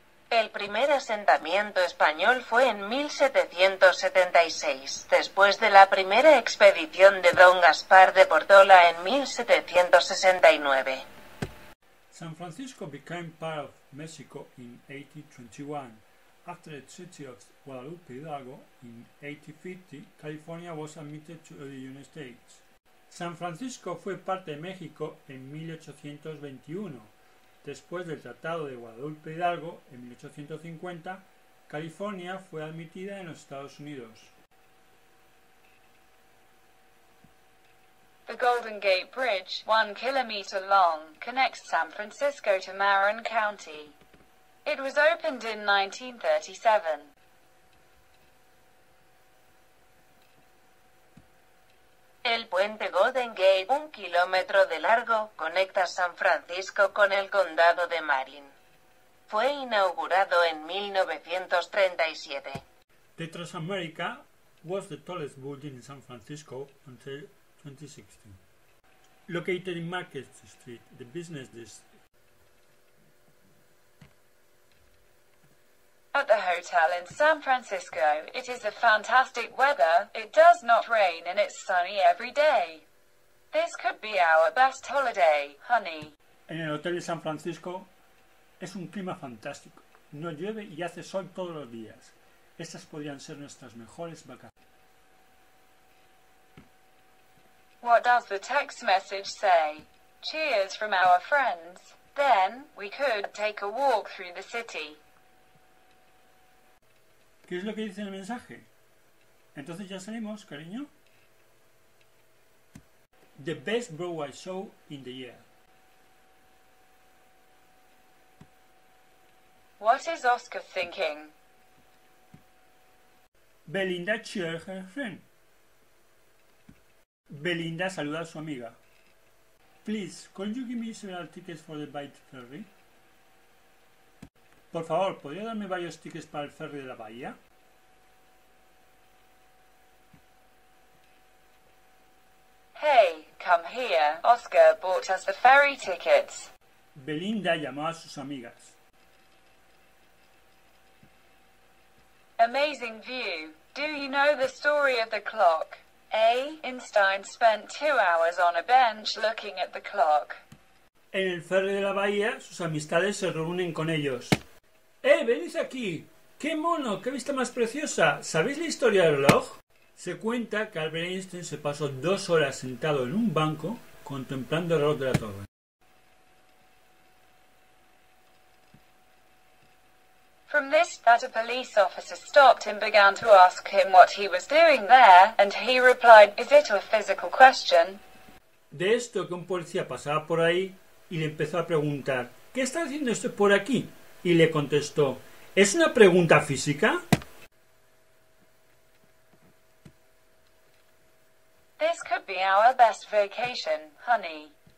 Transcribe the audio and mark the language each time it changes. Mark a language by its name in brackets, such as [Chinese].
[Spanish] El primer asentamiento español fue en 1776, después de la primera expedición de Don Gaspar de Portola en 1769. [English] San Francisco became part of Mexico in 1821. After the Treaty of Guadalupe Hidalgo in 1850, California was admitted to the United States. [Spanish] San Francisco fue parte de México en 1821. Después del Tratado de Guadalupe Hidalgo, en 1850, California fue admitida en los Estados Unidos. [English] The Golden Gate Bridge, 1 kilometer long, connects San Francisco to Marin County. It was opened in 1937. [Spanish] El puente Golden Gate, 1 kilómetro de largo, conecta San Francisco con el condado de Marin. Fue inaugurado en 1937. [English] The Transamerica was the tallest building in San Francisco until 2016. Located in Market Street, the business district. At the hotel in San Francisco, it is a fantastic weather. It does not rain and it's sunny every day. This could be our best holiday, honey. [Spanish] En el hotel de San Francisco es un clima fantástico. No llueve y hace sol todos los días. Estas podrían ser nuestras mejores vacaciones. [English] What does the text message say? Cheers from our friends. Then, we could take a walk through the city. [Spanish] ¿Qué es lo que dice el mensaje? Entonces ya salimos, cariño. [English] The best Broadway show in the year. What is Oscar thinking? Belinda cheers her friend. [Spanish] Belinda saluda a su amiga. [English] Please, could you give me several tickets for the Bight Ferry? [Spanish] Por favor, ¿podría darme varios tickets para el ferry de la bahía? [English] Hey, come here. Oscar bought us the ferry tickets. [Spanish] Belinda llamó a sus amigas. [English] Amazing view. Do you know the story of the clock? A. Einstein spent 2 hours on a bench looking at the clock. [Spanish] En el ferry de la bahía, sus amistades se reúnen con ellos. ¡Eh, venid aquí! ¡Qué mono! ¡Qué vista más preciosa! ¿Sabéis la historia del reloj? Se cuenta que Albert Einstein se pasó 2 horas sentado en un banco contemplando el reloj de la torre. [English] From this, that a police officer stopped and began to ask him what he was doing there, and he replied, "Is it a physical question?" [Spanish] De esto que un policía pasaba por ahí y le empezó a preguntar, "¿Qué está haciendo usted por aquí?" Y le contestó, "¿Es una pregunta física?" [English] This could be our best vacation, honey.